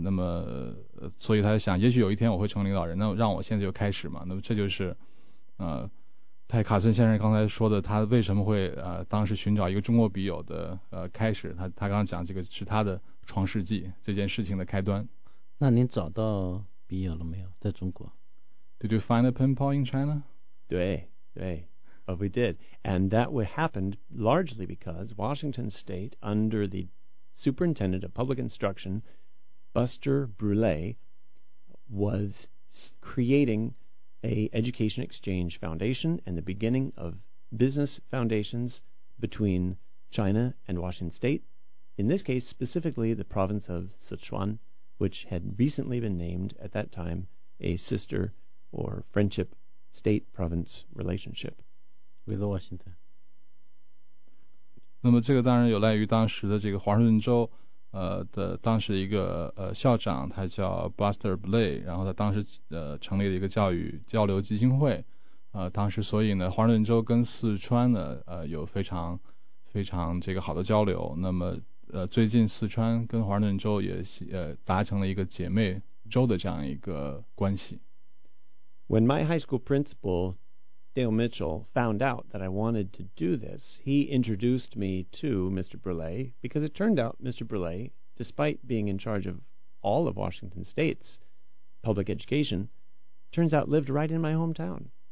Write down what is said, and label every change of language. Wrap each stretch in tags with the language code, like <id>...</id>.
<zh>那么所以他就想，也许有一天我会成为领导人，那让我现在就开始嘛。那么这就是泰卡森先生刚才说的，他为什么会当时寻找一个中国笔友的开始，他刚刚讲这个是他的创世纪这件事情的开端。那您找到笔友了没有？在中国</zh> <en>？Did you find a pen pal in China？</en> <zh>对对</zh> <en>，but we did， and that would happened largely because Washington State under the Superintendent of Public Instruction Buster Brûlé was creating a education exchange foundation and the beginning of business foundations between China and Washington State. In this case, specifically the province of Sichuan, which had recently been named at that time a sister or friendship state-province relationship with Washington.</en> <zh>那么这个当然有赖于当时的这个华盛顿州的当时一个校长，他叫 Buster Brûlé， 然后他当时成立了一个教育交流基金会，当时所以呢华盛顿州跟四川呢有非常非常这个好的交流，那么最近四川跟华盛顿州也达成了一个姐妹州的这样一个关系。</zh> <en>When my high school principal Dale Mitchell found out that I wanted to do this, he introduced me to Mr. Brûlé, because it turned out Mr. Brûlé, despite being in charge of all of Washington State's public education, turns out lived right in my hometown.</en>